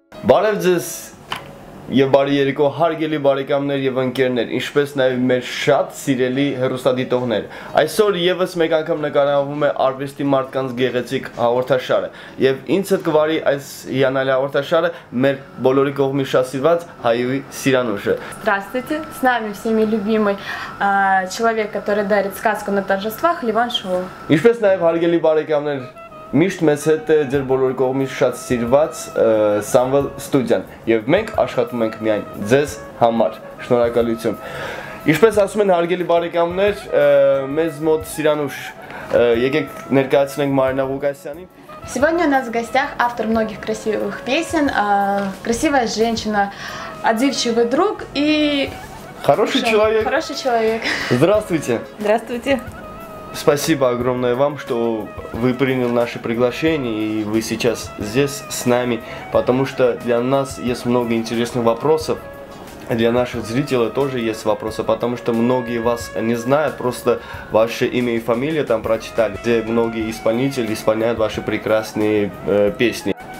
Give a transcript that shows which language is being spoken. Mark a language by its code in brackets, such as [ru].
[hy] Բարև ձեզ եւ բարի երեկո հարգելի բարեկամներ եւ ընկերներ, ինչպես նաեւ մեր շատ սիրելի հեռուստադիտողներ։ Այսօր եւս մեկ անգամ նկարահանվում է արվեստի մարդկանց գեղեցիկ հաղորդաշարը եւ ինձ հետ կվարի այս հիանալի հաղորդաշարը մեր բոլորի կողմի շասիրված Հայուի Սիրանուշը։ [ru] Здравствуйте, с нами всеми любимый человек, который дарит сказку на торжествах, Լիվան Շուլ։ [hy] Ինչպես նաեւ հարգելի բարեկամներ, միշտ մեզ հետ է ձեր բոլորի կողմից շատ սիրված Սամվել Ստուդիան եւ մենք աշխատում ենք միայն ձեզ համար։ Շնորհակալություն։ Ինչպես ասում են հարգելի բարեկամներ, մեզ մոտ Սիրանուշ, եկեք ներկայացնենք Մարինա Ղուկասյանին։ [ru] Сегодня у нас в гостях автор многих красивых песен, красивая женщина, отзывчивый друг и хороший человек. Хороший человек. Здравствуйте. Здравствуйте. Спасибо огромное вам, что вы приняли наше приглашение и вы сейчас здесь с нами, потому что для нас есть много интересных вопросов, для наших зрителей тоже есть вопросы, потому что многие вас не знают, просто ваше имя и фамилия там прочитали, где многие исполнители исполняют ваши прекрасные песни.